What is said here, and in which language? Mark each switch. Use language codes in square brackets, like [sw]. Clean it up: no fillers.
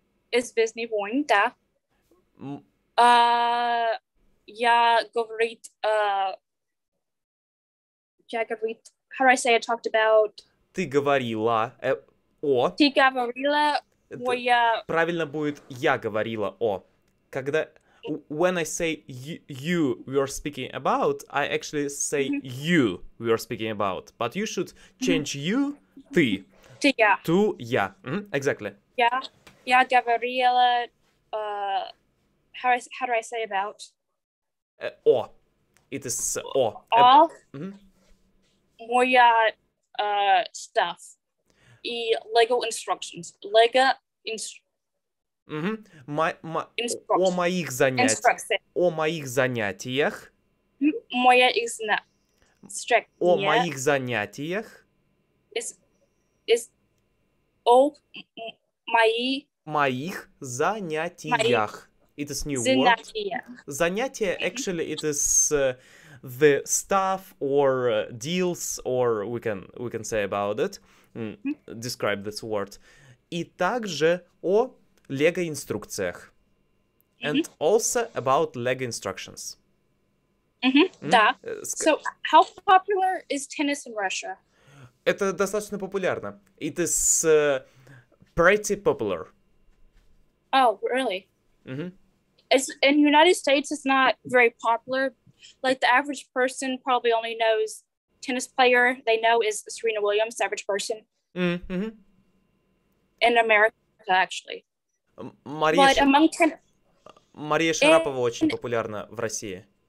[ru] Из Звездных войн, да. Я говорит [en] how do I say it? Talked about. [ru] Ты говорила о. Ты говорила о я. Правильно будет я говорила о. Когда [en] when I say you were speaking about, I actually say mm-hmm. you were speaking about. But you should change mm-hmm. you [ru] ты. Ты я. [en] To [ru] я. [en] Mm-hmm. Exactly. [ru] Я. Я говорила. [en] How do I say about? [ru] О. [en] It is о. All. Mm-hmm. [ru] Моя [en] stuff и Lego instructions. Lego mm-hmm. [ru] О моих занятиях. О моих занятиях. Моя [en] instruction. [ru] О моих занятиях. [en] Is [ru] о мои. Моих занятиях. [en] It is new word. [ru] Занятия. [en] Actually, it is the stuff or deals, or we can say about it. Describe this word. [ru] И также о Lego инструкциях. [en] Mm-hmm. And also about Lego instructions. Mm-hmm. Mm-hmm. [ru] Да. [en] So, how popular is tennis in Russia? [ru] Это достаточно популярно. [en] It is pretty popular. Oh, really? Mm-hmm. It's, in the United States, it's not very popular. Like, the average person probably only knows tennis player they know is Serena Williams, the average person. Mm-hmm. In America, actually. [ru] Мария Шарапова очень популярна в России.